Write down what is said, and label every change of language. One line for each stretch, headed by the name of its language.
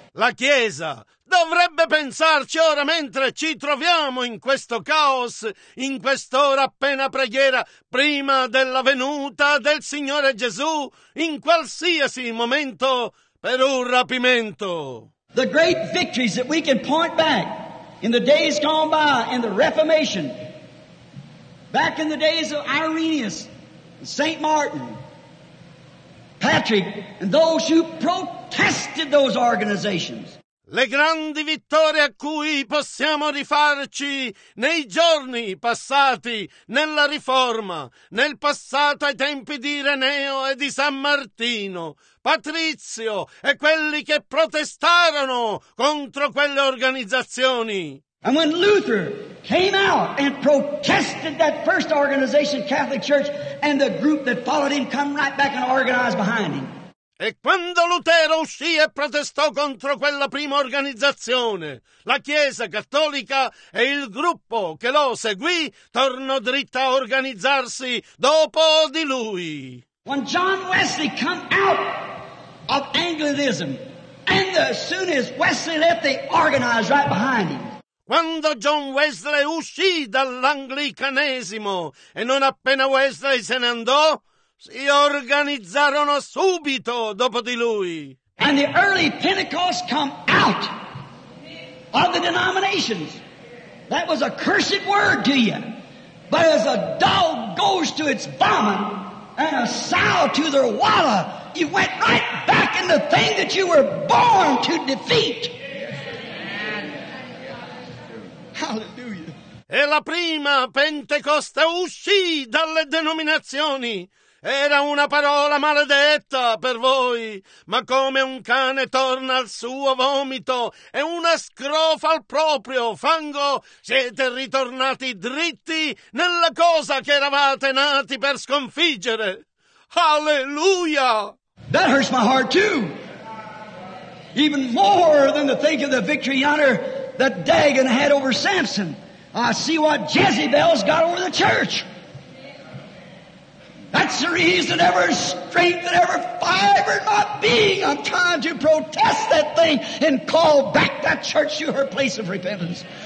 Italian: La Chiesa dovrebbe pensarci ora mentre ci troviamo in questo caos, in quest'ora appena preghiera, prima della venuta del Signore Gesù, in qualsiasi momento per un rapimento.
English: The great victories that we can point back In the days gone by, in the Reformation, back in the days of Irenaeus, St. Martin, Patrick, and those who protested those organizations.
Italian: Le grandi vittorie a cui possiamo rifarci nei giorni passati, nella Riforma, nel passato ai tempi di Ireneo e di San Martino, Patrizio e quelli che protestarono contro quelle organizzazioni.
English: And when Luther came out and protested that first organization, Catholic Church, and the group that followed him come right back and organized behind him.
Italian: E quando Lutero uscì e protestò contro quella prima organizzazione, la Chiesa Cattolica e il gruppo che lo seguì tornò dritta a organizzarsi dopo di lui.
English: When John Wesley came out of Anglicanism, and as soon as Wesley left, they organized right behind him.
Italian: Quando John Wesley uscì dall'anglicanesimo e non appena Wesley se ne andò, si organizzarono subito dopo di lui.
English: And the early Pentecost come out of the denominations. That was a cursed word to you. But as a dog goes to its vomit and a sow to their wallow, you went right back in the thing that you were born to defeat. Hallelujah.
Italian: E la prima Pentecoste uscì dalle denominazioni. Era una parola maledetta per voi, ma come un cane torna al suo vomito e una scrofa al proprio fango, siete ritornati dritti nella cosa che eravate nati per sconfiggere. Hallelujah!
English: That hurts my heart too. Even more than to think of the victory yonder that Dagon had over Samson. I see what Jezebel's got over the church. That's the reason every strength and every fiber in my being, I'm trying to protest that thing and call back that church to her place of repentance.